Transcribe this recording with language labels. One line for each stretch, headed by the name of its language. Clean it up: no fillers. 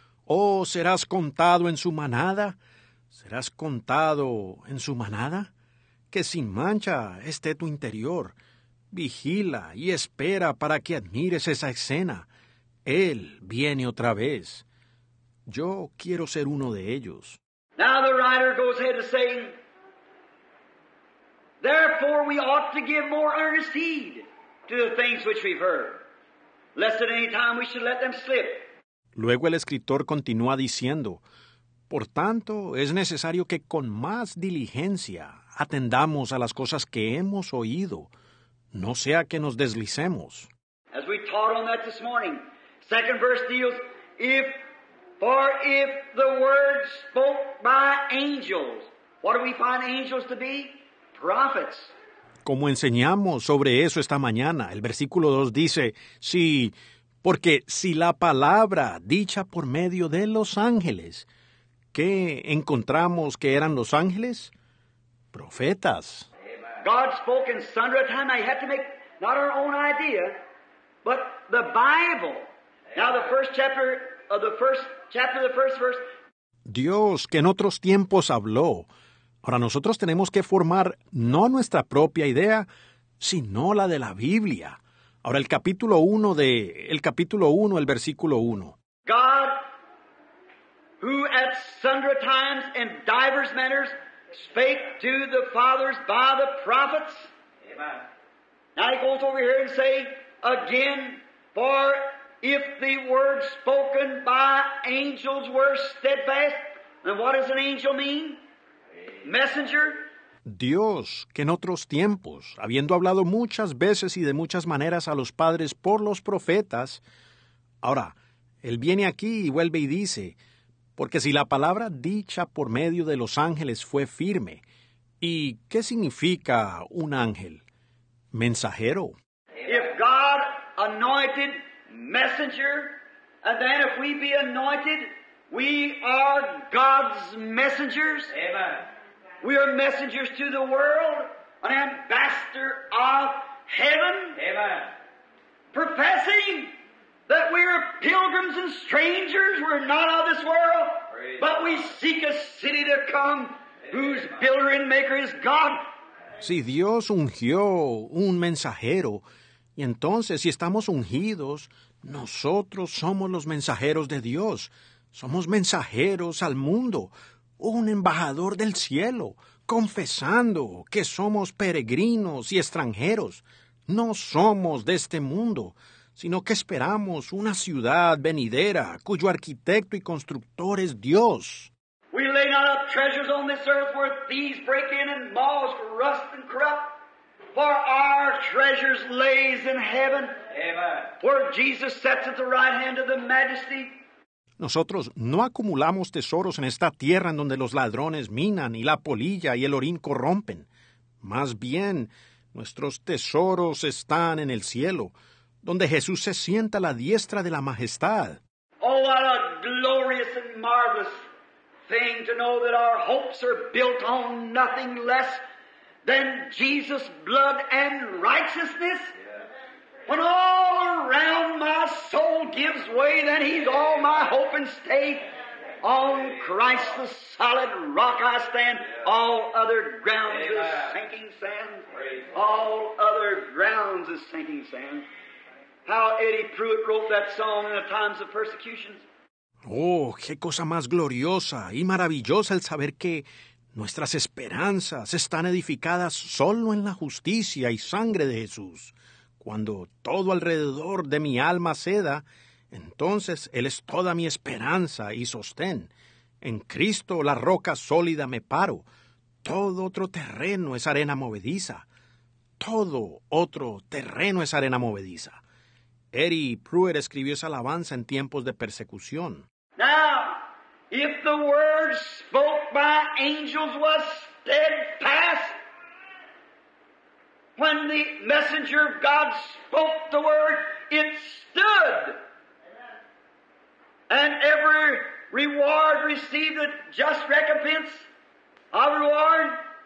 Spanish: Oh, ¿serás contado en su manada? ¿Serás contado en su manada? que sin mancha esté tu interior. Vigila y espera para que admires esa escena. Él viene otra vez. Yo quiero ser uno de ellos.
English: Now the writer goes ahead to say, therefore we ought to give more earnest heed to the things which we've heard, lest at any time we should let them slip.
Spanish: Luego el escritor continúa diciendo, por tanto, es necesario que con más diligencia atendamos a las cosas que hemos oído, no sea que nos deslicemos.
English: As we taught on that this morning, second verse deals, if the word spoke by angels, what do we find angels to be? Prophets.
Spanish: Como enseñamos sobre eso esta mañana, el versículo 2 dice, sí, porque si la palabra dicha por medio de los ángeles, ¿qué encontramos que eran los ángeles? Profetas.
English: God spoke in sundry time. I had to make not our own idea, but the Bible. Now the first chapter of the first chapter of the first verse.
Spanish: Dios que en otros tiempos habló. Ahora nosotros tenemos que formar no nuestra propia idea, sino la de la Biblia. Ahora el capítulo 1 de el capítulo 1, el versículo 1.
English: God, who at sundry times and divers manners spake to the fathers by the prophets. Amen. Now he goes over here and say again, for if the words spoken by angels were steadfast, then what does an angel mean? Messenger.
Spanish: Dios, que en otros tiempos, habiendo hablado muchas veces y de muchas maneras a los padres por los profetas, ahora, él viene aquí y vuelve y dice, porque si la palabra dicha por medio de los ángeles fue firme, ¿y qué significa un ángel? Mensajero.
English: If God anointed messenger, and then if we be anointed, we are God's messengers. Amen. We are messengers to the world, an ambassador of heaven. Amen. Professing that we are pilgrims and strangers, we're not of this world, but we seek a city to come whose builder and maker is God.
Spanish: Si Dios ungió un mensajero, y entonces si estamos ungidos, nosotros somos los mensajeros de Dios. Somos mensajeros al mundo, un embajador del cielo, confesando que somos peregrinos y extranjeros. No somos de este mundo, sino que esperamos una ciudad venidera cuyo arquitecto y constructor es Dios.
English: We lay not up treasures on this earth where thieves break in and moths rust and corrupt. For our treasures lays in heaven. Amen. Where Jesus sits at the right hand of the majesty.
Spanish: Nosotros no acumulamos tesoros en esta tierra en donde los ladrones minan y la polilla y el orín corrompen. Más bien, nuestros tesoros están en el cielo, donde Jesús se sienta a la diestra de la majestad.
English: Oh, what a glorious and marvelous thing to know that our hopes are built on nothing less than Jesus' blood and righteousness. When all around my soul gives way, then he's all my hope and stay. On Christ the solid rock I stand. All other grounds is sinking sand. All other grounds is sinking sand. How Eddie Pruitt wrote that song in the times of persecutions.
Spanish: Oh, qué cosa más gloriosa y maravillosa el saber que nuestras esperanzas están edificadas solo en la justicia y sangre de Jesús. Cuando todo alrededor de mi alma ceda, entonces Él es toda mi esperanza y sostén. En Cristo la roca sólida me paro. Todo otro terreno es arena movediza. Todo otro terreno es arena movediza. Eddie Pruitt escribió esa alabanza en tiempos de persecución.
English: Now, if the word spoke by angels was steadfast, when the messenger of God spoke the word, it stood. And every reward received a just recompense, our reward.